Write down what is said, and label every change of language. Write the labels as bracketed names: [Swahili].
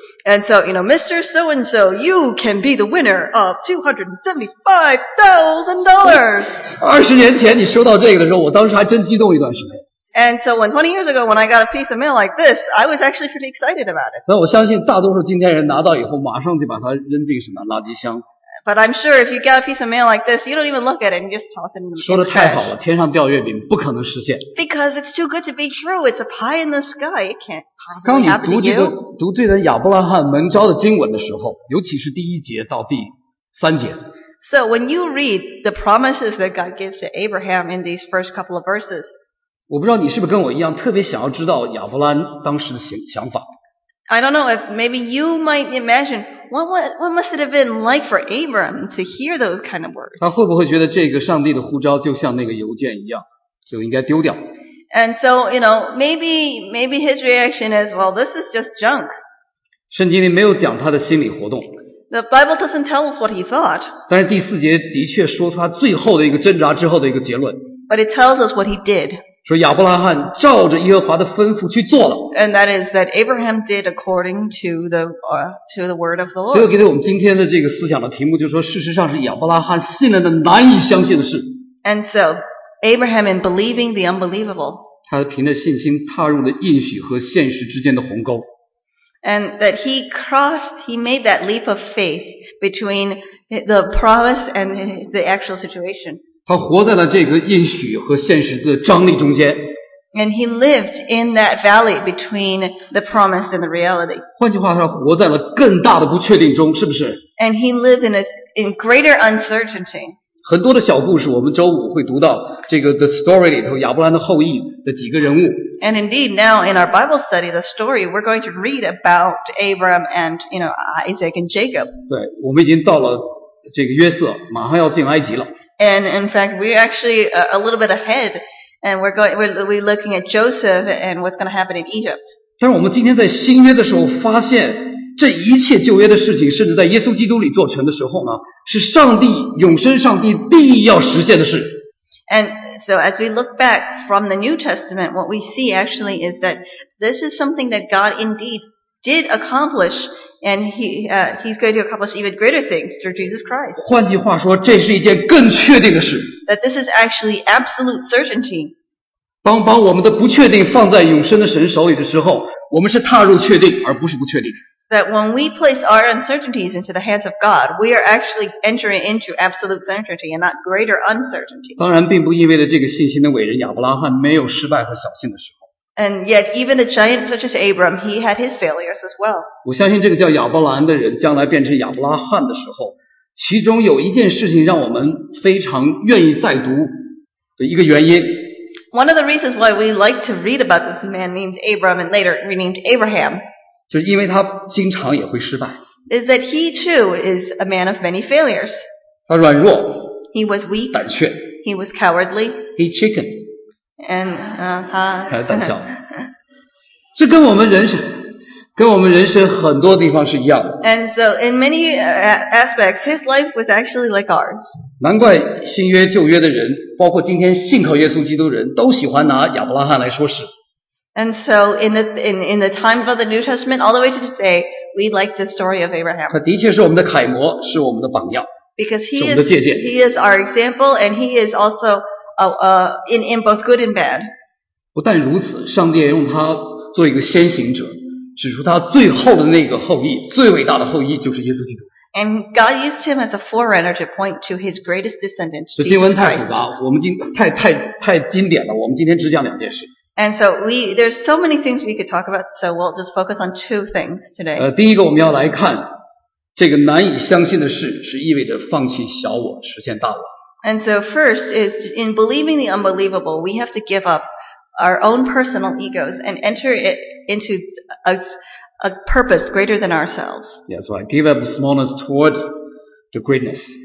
[English] And so, you know, Mr. So-and-so, you can be the winner of $275,000. [Chinese] 20年前你收到这个的时候，我当时还真激动一段时间。 [English] And so when 20 years ago, when I got a piece of mail like this, I was actually pretty excited about it. [Chinese] 那我相信大多数今天人拿到以后，马上就把它扔进什么垃圾箱。 [English] But I'm sure if you got a piece of mail like this, you don't even look at it and just toss it in the trash. [Chinese] 说的太好了，天上掉月饼不可能实现。 [English] Because it's too good to be true. It's a pie in the sky. It can't possibly happen. [Chinese] 刚你读这个读对的亚伯拉罕蒙召的经文的时候，尤其是第一节到第三节。 [English] So when you read the promises that God gives to Abraham in these first couple of verses, [Chinese] 我不知道你是不是跟我一样，特别想要知道亚伯拉罕当时的想法。 [English] I don't know if maybe you might imagine what must it have been like for Abram to hear those kind of words. [Chinese] 他会不会觉得这个上帝的呼召就像那个邮件一样，就应该丢掉？ [English] And so, you know, maybe his reaction is, well, this is just junk. [Chinese] 圣经里没有讲他的心理活动。 [English] The Bible doesn't tell us what he thought. [Chinese] 但是第四节的确说出他最后的一个挣扎之后的一个结论。 [English] But it tells us what he did. [Chinese] 说亚伯拉罕照着耶和华的吩咐去做了。 [English] And that is that Abraham did according to the word of the Lord. [Chinese] 这个给了我们今天的这个思想的题目，就是说，事实上是亚伯拉罕信了的难以相信的事。 [English] And so Abraham in believing the unbelievable. [Chinese] 他凭着信心踏入了应许和现实之间的鸿沟。 [English] And that he made that leap of faith between the promise and the actual situation. [Chinese] 他活在了这个应许和现实的张力中间。 [English] And he lived in that valley between the promise and the reality. [Chinese] 换句话说，他活在了更大的不确定中，是不是？ [English] And he lived in greater uncertainty. [Chinese] 很多的小故事，我们周五会读到这个 The Story 里头亚伯兰的后裔的几个人物。 [English] And indeed, now in our Bible study, the story we're going to read about Abram and Isaac and Jacob. [Chinese] 对，我们已经到了这个约瑟，马上要进埃及了。 [English] And in fact, we're actually a little bit ahead, and we're looking at Joseph and what's going to happen in Egypt. [Chinese] 但是我们今天在新约的时候，发现这一切旧约的事情，甚至在耶稣基督里做成的时候呢，是上帝永生上帝必要实现的事。 [English] And so as we look back from the New Testament, what we see actually is that this is something that God indeed did accomplish. And he's going to accomplish even greater things through Jesus Christ. [Chinese] 换句话说，这是一件更确定的事。 [English] That this is actually absolute certainty. [Chinese] 把我们的不确定放在永生的神手里的时候，我们是踏入确定，而不是不确定。 [English] That when we place our uncertainties into the hands of God, we are actually entering into absolute certainty and not greater uncertainty. [Chinese] 当然，并不意味着这个信心的伟人亚伯拉罕没有失败和小心的时候。 [English] And yet, even a giant such as Abram, he had his failures as well. [Chinese] 我相信这个叫亚伯兰的人将来变成亚伯拉罕的时候，其中有一件事情让我们非常愿意再读的一个原因。 [English] One of the reasons why we like to read about this man named Abram and later renamed Abraham, [Chinese] 就是因为他经常也会失败。 [English] Is that he too is a man of many failures. [Chinese] 他软弱。 [English] He was weak. [Chinese] 胆怯。 [English] He was cowardly. He chickened. And, [Chinese] 还胆小，这跟我们人生很多地方是一样的。 [English] And so, in many aspects, his life was actually like ours. [Chinese] 难怪新约旧约的人，包括今天信靠耶稣基督的人，都喜欢拿亚伯拉罕来说事。 [English] And so, in the time of the New Testament, all the way to today, we like the story of Abraham. [Chinese] 他的确是我们的楷模，是我们的榜样。 [English] Because he is our example, and he is also. In both good and bad. [Chinese] 不但如此，上帝也用他做一个先行者，指出他最后的那个后裔，最伟大的后裔就是耶稣基督。 [English] And God used him as a forerunner to point to his greatest descendant, Jesus Christ. [Chinese] 这经文太复杂，我们今太经典了，我们今天只讲两件事。 [English] And so there's so many things we could talk about, so we'll just focus on two things today. [Chinese] 第一个我们要来看这个难以相信的事是意味着放弃小我，实现大我。 [English] And so first is in believing the unbelievable, we have to give up our own personal egos and enter it into a purpose greater than ourselves. Yes, right. Give up smallness toward the greatness.